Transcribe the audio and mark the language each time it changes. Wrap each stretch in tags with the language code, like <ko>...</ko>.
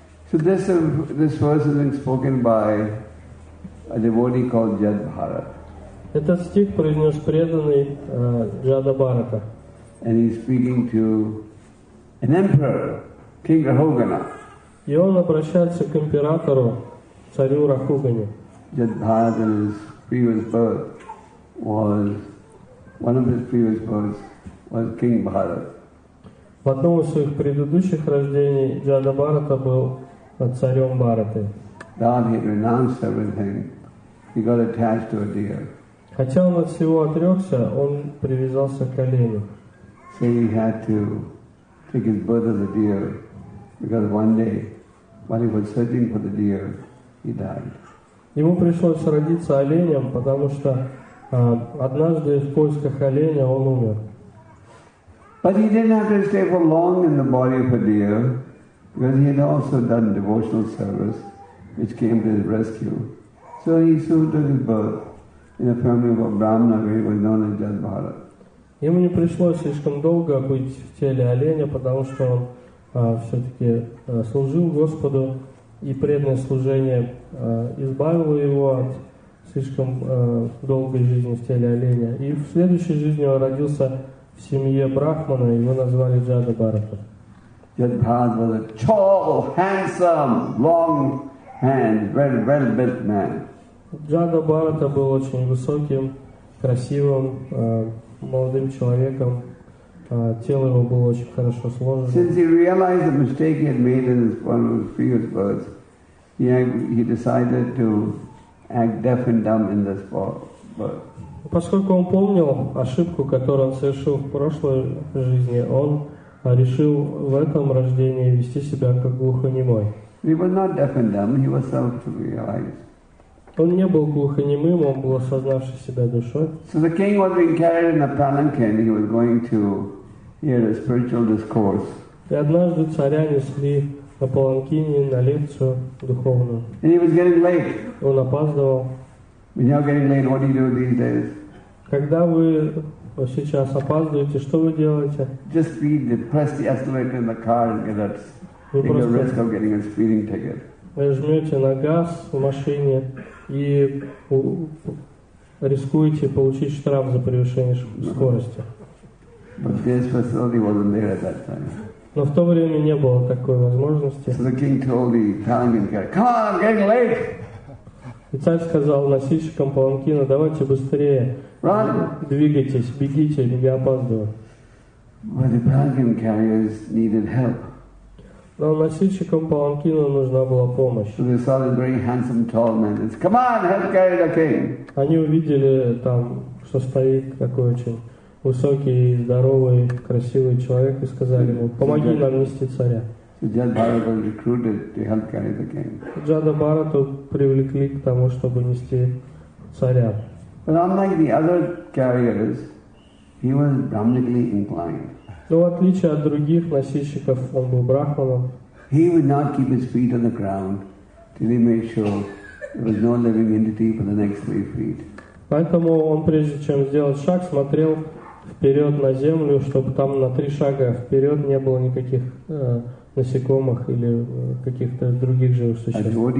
<en>So this verse has been spoken by a devotee called Jada Bharat.</en> <ru>Этот стих произнес преданный Джада Бхарата.</ru> <en>And he's speaking to an emperor, King Rahugana.</en> <ru>И он обращается к императору, царю Рахугане.</ru> <en>Jada Bharat in his previous birth was one of his previous births was King Bharat.</en> <ru>В одном из своих предыдущих рождений Джада Бхарата был царем Бхараты.</ru> <en>Then he renounced everything. He got attached to a deer.</en> <ru>Хотя он от всего отрекся, он привязался к олену.</ru> <en>So he had to take his birth as a deer, because one day, while he was searching for the deer, he died.</en> <ru>Ему пришлось родиться оленем, потому что однажды в поисках оленя он умер.</ru> <en>But he didn't have to stay for long in the body of a deer. Because he had also done devotional service, which came to his rescue, so he soon took his birth in a family of a Brahmana, where he was known as Jada Bharat.</en> <ru>Ему не пришлось слишком долго быть в теле оленя, потому что он все-таки служил Господу, и преданное служение избавило его от слишком долгой жизни в теле оленя. И в следующей жизни он родился в семье брахмана, его назвали Джада Бхарата.</ru> <en>Jada Bharat was a tall, handsome, long-haired, red, red-built man.</en> <ru>Jada Bharata был очень высоким, красивым, молодым человеком. Тело его было очень хорошо сложено.</ru> <en>Since he realized the mistake he had made in his one of his previous births, he decided to act deaf and dumb in this birth.</en> <ru>Поскольку он помнил ошибку, которую он совершил в прошлой жизни, он решил в этом рождении вести себя как глухонемой.</ru> <en>He was not deaf and dumb, he was self-realized.</en> <ru>Он не был глухонемым, он был осознавший себя душой.</ru> <en>So the king was being carried in a palanquin, he was going to hear a spiritual discourse.</en> <ru>И однажды царя несли на паланкине на лекцию духовную.</ru> <en>And he was getting late.</en> <ru>Он опаздывал.</ru> <en>When you're getting late, what do you do these days?</en> <ru>Когда вы сейчас опаздываете, что вы делаете?</ru> <en>Just speed, press the escalator in the car and get a risk of getting a speeding ticket.</en> <ru>Вы жмете на газ в машине и рискуете получить штраф за превышение скорости.</ru> <en>But this facility wasn't there at that time.</en> <ru>Но в то время не было такой возможности.</ru> <en>So the king told the palanquin guy, "Come on, I'm getting late."</en> <ru>И царь сказал носильщикам паланкина, давайте быстрее,</ru> <en>run.</en> <ru>Двигайтесь, бегите, я опаздываю.</ru> <en>Well, the palanquin carriers needed help.</en> <ru>Но носильщикам паланкина нужна была помощь.</ru> <en>So they saw a very handsome tall man. It's, come on, help carry the king.</en> <ru>Они увидели там, что стоит такой очень высокий, здоровый, красивый человек и сказали ему, помоги нам нести царя.</ru> <en>So Jada Bharata was recruited to help carry the king.</en> <ru>Jada Bharata привлекли к тому, чтобы нести царя.</ru> <en>But unlike the other carriers, he was brahmanically inclined.</en> <ru>Но в отличие от других носильщиков, он был брахманом.</ru> <en>He would not keep his feet on the ground till he made sure there was no living entity for the next 3 feet.</en> <ru>Поэтому он, прежде чем сделать шаг, смотрел вперед на землю, чтобы там на три шага вперед не было никаких насекомых или каких-то других живых существ.</ru>